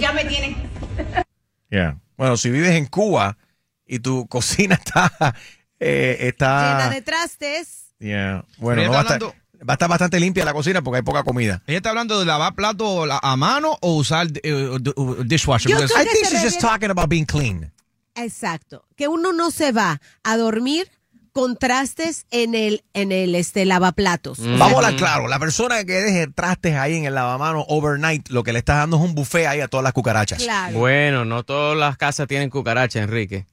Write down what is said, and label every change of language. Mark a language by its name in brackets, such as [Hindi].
[Spanish] Ya me tienen. [English] Yeah. [Spanish] Bueno, si vives en Cuba y tu cocina está llena de trastes. Yeah. Bueno, no va a estar bastante limpia la cocina porque hay poca comida. ¿Ella está hablando de lavar plato a mano o usar dishwasher? [English] I think she's just talking about being clean. [Spanish] Exacto, que uno no se va a dormir con trastes en el lavaplatos. Mm. Vamos a hablar claro, la persona que deje trastes ahí en el lavamanos overnight, lo que le estás dando es un buffet ahí a todas las cucarachas. Claro. Bueno, no todas las casas tienen cucarachas, Enrique.